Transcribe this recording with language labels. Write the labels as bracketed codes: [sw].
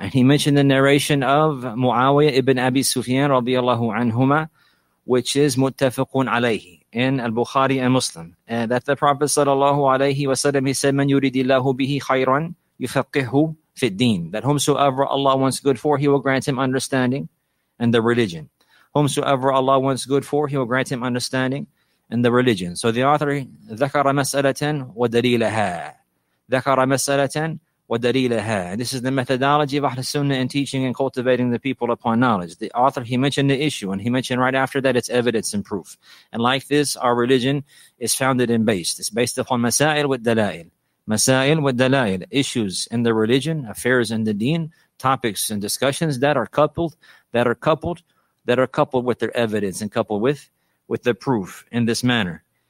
[en] And he mentioned the narration of Muawiyah ibn Abi Sufyan, radiyallahu anhuma, which is muttafaqun alayhi in al-Bukhari and Muslim. And that the Prophet sallallahu alayhi wa sallam, he said, [ar] man yuridillahu bihi khayran yufaqihu fi ddeen, [en] that whomsoever Allah wants good for, he will grant him understanding in the religion. Whomsoever Allah wants good for, he will grant him understanding in the religion. So the author, [ar] ذكر مسألة ودليلها, ذكر مسألة ودليلها. [en] This is the methodology of Ahl Sunnah in teaching and cultivating the people upon knowledge. The author, he mentioned the issue, and he mentioned right after that it's evidence and proof. And like this, our religion is founded and based. It's based upon masail with dalail. Masail with dalail, issues in the religion, affairs in the deen, topics and discussions that are coupled with their evidence and coupled with the proof in this manner.